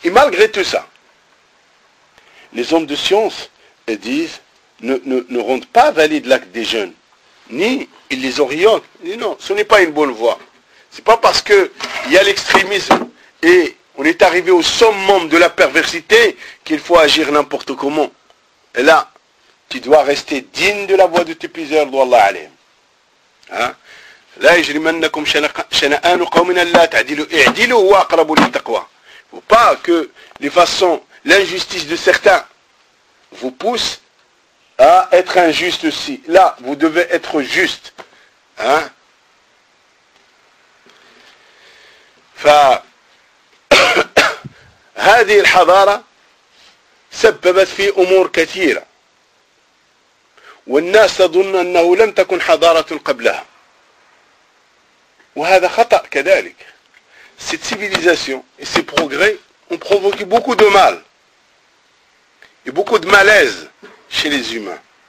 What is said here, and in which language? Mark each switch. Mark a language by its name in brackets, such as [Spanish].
[French] Et malgré tout ça, les hommes de science disent, ne rendent pas valide l'acte des jeunes, ni ils les orientent. Ils disent, non, ce n'est pas une bonne voie. C'est pas parce qu'il y a l'extrémisme et on est arrivé au summum de la perversité qu'il faut agir n'importe comment. Et là, tu dois rester digne de la voie de tes plusieurs doigts Allah alayhi. Hein? [Arabic] لا يجرمنكم شنآن قوم لا تعدلوا اعدلوا هو اقرب للتقوى. [French] Faut pas que les façons, l'injustice de certains vous pousse à être injuste aussi. Là, vous devez être juste. Hein? [Arabic] فهذه الحضارة سببت في أمور كثيرة والناس تظن أنه لم تكن حضارة قبلها وهذا خطأ كذلك. [French] Cette civilisation et ses progrès ont provoqué beaucoup de mal et beaucoup de malaise chez les humains.